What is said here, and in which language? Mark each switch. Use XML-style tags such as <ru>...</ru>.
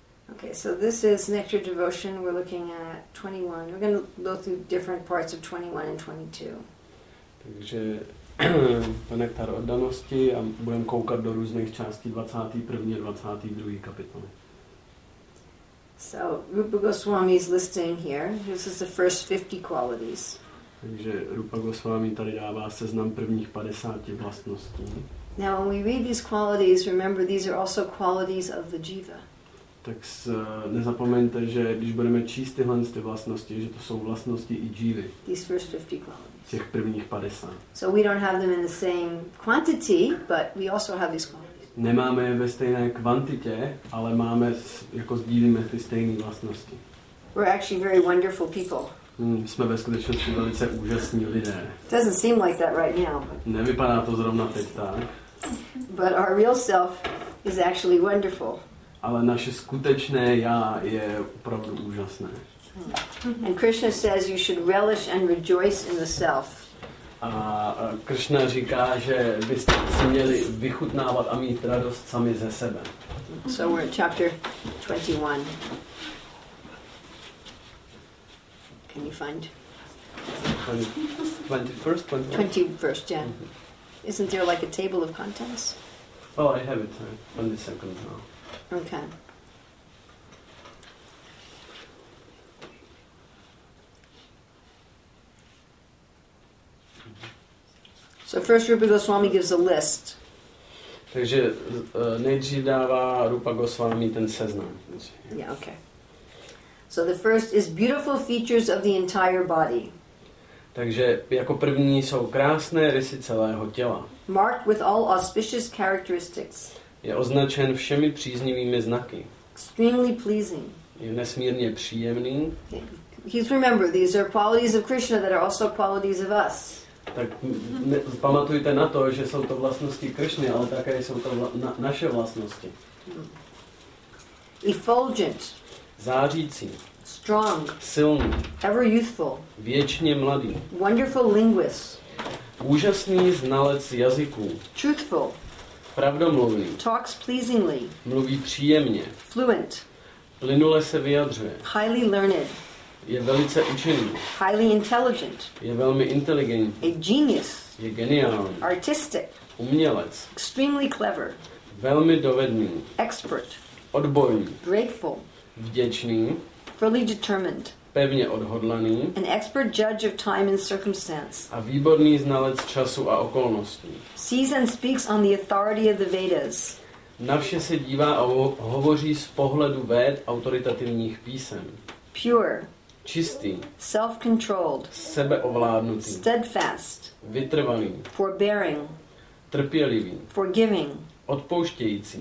<en>Okay, so this is Nectar Devotion. We're looking at 21. We're going to go through different parts of 21 and 22.</en> <cs>Takže to Nektar oddanosti a budeme koukat do různých částí 21. a 22. kapitoly.</cs> <en>So Rupa Goswami is listing here. This is the first 50 qualities.</en> <cs>Takže Rupa Goswami tady dává seznam prvních 50 vlastností.</cs> <en>Now when we read these qualities, remember these are also qualities of the jiva.</en> <cs>Tak nezapomeňte, že když budeme číst tyhle z ty vlastnosti, že to jsou vlastnosti i džívy. Těch prvních 50.</cs> <en>So we don't have them in the same quantity, but we also have these qualities.</en> <cs>Nemáme je ve stejné kvantitě, ale máme jako sdílíme ty stejné vlastnosti.</cs> <en>We're actually very wonderful people.</en> <cs>Jsme ve skutečnosti velice úžasní lidé.</cs> <en>It doesn't seem like that right now.</en> <cs>Nevypadá to zrovna teď tak.</cs> <en>But our real self is actually wonderful.</en> <cs>Ale naše skutečné já je opravdu úžasné.</cs> <en>And Krishna says you should relish and rejoice in the self.</en> <cs>A Krishna říká, že byste si měli vychutnávat a mít radost sami ze sebe.</cs> <en>So we're at chapter 21. Can you find? 21st, yeah. Mm-hmm. Isn't there like a table of contents? Oh, I have it. 22nd now. Okay. So first Rupa Goswami gives a list.</en> <cs>Takže nejdřív dává Rupa Goswami ten seznam.</cs> <en>Yeah, okay. So the first is beautiful features of the entire body.</en> <cs>Takže jako první jsou krásné rysy celého těla.</cs> <en>Marked with all auspicious characteristics.</en> <cs>Je označen všemi příznivými znaky.</cs> <en>Extremely pleasing.</en> <cs>Je nesmírně příjemný.</cs> <en>He's remember these are qualities of Krishna that are also qualities of us.</en> <cs>Tak pamatujte na to, že jsou to vlastnosti Krishny, ale také jsou to naše vlastnosti.</cs> <en>Effulgent.</en> <cs>Zářící.</cs> <en>Strong.</en> <cs>Silný.</cs> <en>Ever youthful.</en> <cs>Věčně mladý.</cs> <en>Wonderful linguist.</en> <cs>Úžasný znalec jazyků.</cs> <en>Truthful.</en> <cs>Pravdomluvný.</cs> <en>Talks pleasingly.</en> <cs>Mluví příjemně.</cs> <en>Fluent.</en> <cs>Plynule se vyjadřuje.</cs> <en>Highly learned.</en> <cs>Je velice učený.</cs> <en>Highly intelligent.</en> <cs>Je velmi inteligentní.</cs> <en>A genius.</en> <cs>Je geniální.</cs> <en>Artistic.</en> <cs>Umělec.</cs> <en>Extremely clever.</en> <cs>Velmi dovedný.</cs> <en>Expert.</en> <cs>Odborný.</cs> <en>Grateful.</en> <cs>Vděčný.</cs> <en>Fully determined.</en> <cs>Pevně odhodlaný.</cs> <en>An expert judge of time and circumstance.</en> <cs>A výborný znalec času a okolností.</cs> <en>Sees and speaks on the authority of the Vedas.</en> <cs>Na vše se dívá a hovoří z pohledu véd autoritativních písem.</cs> <en>Pure.</en> <cs>Čistý.</cs> <en>Self-controlled.</en> <cs>Sebeovládnutý.</cs> <en>Steadfast.</en> <cs>Vytrvalý.</cs> <en>Forbearing.</en> <cs>Trpělivý.</cs> <en>Forgiving.</en> <cs>Odpouštějící.</cs>